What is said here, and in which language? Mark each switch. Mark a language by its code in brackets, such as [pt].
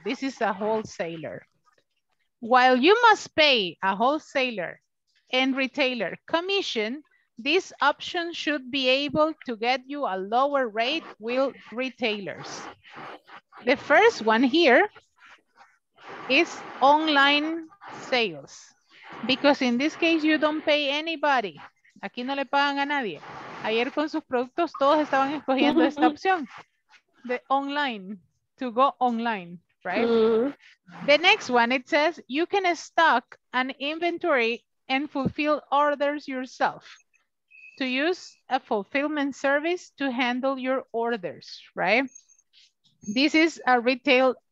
[en] This is a wholesaler. While you must pay a wholesaler and retailer commission, this option should be able to get you a lower rate with retailers. The first one here is online sales, because in this case, you don't pay anybody. [es] Aquí no le pagan a nadie. Ayer con sus productos, todos estaban escogiendo esta opción. [en] The online, to go online, right? The next one, it says, you can stock an inventory and fulfill orders yourself to use a fulfillment service to handle your orders, right? This is a retail